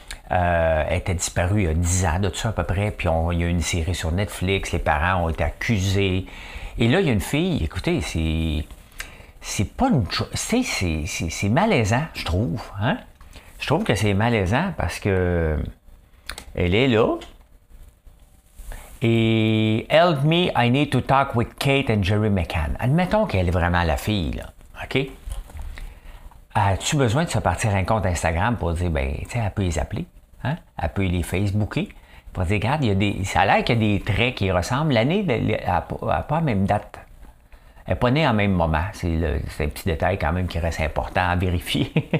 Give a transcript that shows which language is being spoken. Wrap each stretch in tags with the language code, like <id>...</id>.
<fr>Elle était disparue il y a 10 ans de tout ça à peu près. Puis il y a une série sur Netflix. Les parents ont été accusés. Et là, il y a une fille. Écoutez, c'est pas une chose. C'est malaisant, je trouve. Hein? Je trouve que c'est malaisant parce que elle est là. Et</fr> <en>« Help me, I need to talk with Kate and Jerry McCann ».</en> <fr>Admettons qu'elle est vraiment la fille, là. OK? As-tu besoin de se partir un compte Instagram pour dire, ben, tu sais, elle peut les appeler, hein? Elle peut les Facebooker pour dire, regarde, ça a l'air qu'il y a des traits qui ressemblent. L'année, elle n'a pas la même date. Elle n'est pas née en même moment. C'est un petit détail quand même qui reste important à vérifier.</fr>